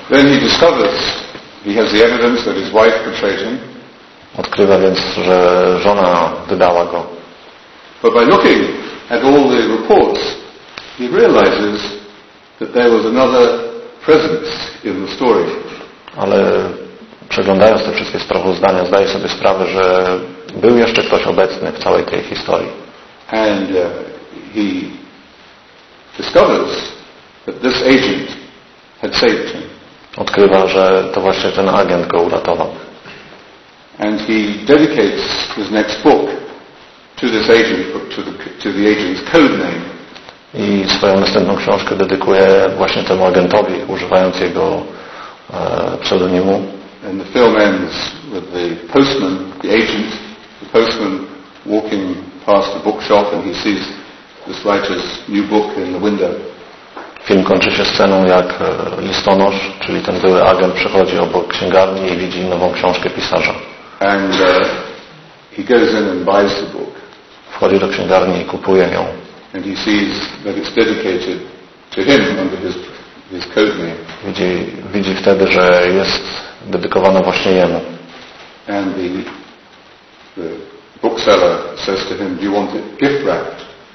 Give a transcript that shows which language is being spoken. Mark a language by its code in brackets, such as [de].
[en] Then he discovers he has the evidence that his wife betrayed him. [pl] Odkrywa więc, że żona wydała go. [en] But by looking at all the reports, he realizes that there was another presence in the story. [pl] Ale przeglądając te wszystkie sprawozdania, zdaje sobie sprawę, że był jeszcze ktoś obecny w całej tej historii. [en] And he discovers that this agent had saved him. [pl] Odkrywa, że to właśnie ten agent go uratował. [en] And he dedicates his next book to this agent, to the agent's code name. [pl] I swoją następną książkę dedykuje właśnie temu agentowi, używając jego pseudonimu. [en] And the film ends with the postman, the agent, the postman walking past the bookshop and he sees this writer's new book in the window. [pl] Film kończy się sceną, jak listonosz, czyli ten były agent, przechodzi obok księgarni i widzi nową książkę pisarza. [en] And he goes in and buys the book. [pl] Wchodzi do księgarni i kupuje ją. [en] And he sees that it's dedicated to him under his code name. [pl] Widzi wtedy, że jest dedykowana właśnie jemu. [en] And the bookseller says to him, "Do you want it gift wrapped?"